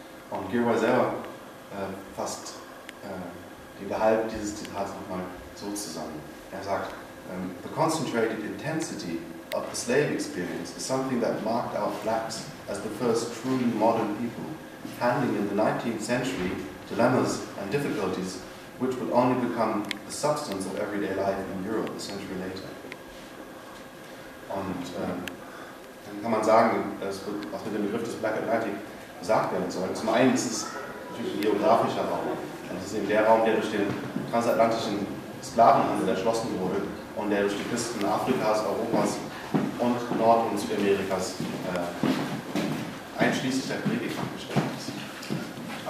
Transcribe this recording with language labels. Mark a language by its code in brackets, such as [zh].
[de] Und Gilroy selber fasst den Gehalt dieses Zitats nochmal so zusammen. Er sagt, [en] the concentrated intensity of the slave experience is something that marked out blacks as the first truly modern people, handling in the 19th century dilemmas and difficulties which would only become the substance of everyday life in Europe a century later. [de] Und dann kann man sagen, es wird auch mit dem Begriff des Black Atlantic gesagt werden soll. Zum einen ist es natürlich ein geografischer Raum. Und es ist eben der Raum, der durch den transatlantischen Sklavenhandel erschlossen wurde und der durch die Küsten Afrikas, Europas und Nord- und Südamerikas einschließlich der Karibik gestellt ist.